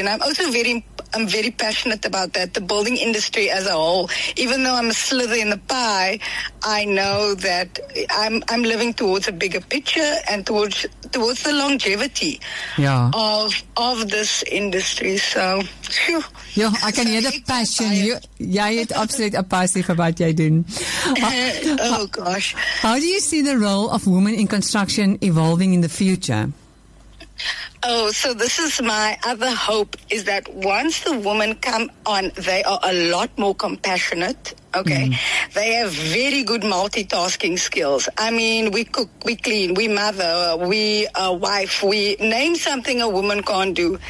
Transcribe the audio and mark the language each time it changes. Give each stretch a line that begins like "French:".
English: And I'm very passionate about that, the building industry as a whole. Even though I'm a slither in the pie, I know that I'm living towards a bigger picture and towards the longevity of this industry. So, I can hear the passion.
Afrikaans: Jy het absoluut 'n passie vir wat jy doen.
English: How do you see the role of women in construction evolving in the future? Oh, so this is my other hope, is that once the women come on, they are a lot more compassionate, okay? Mm. They have very good multitasking skills. I mean, we cook, we clean, we mother, we wife, we name something a woman can't do.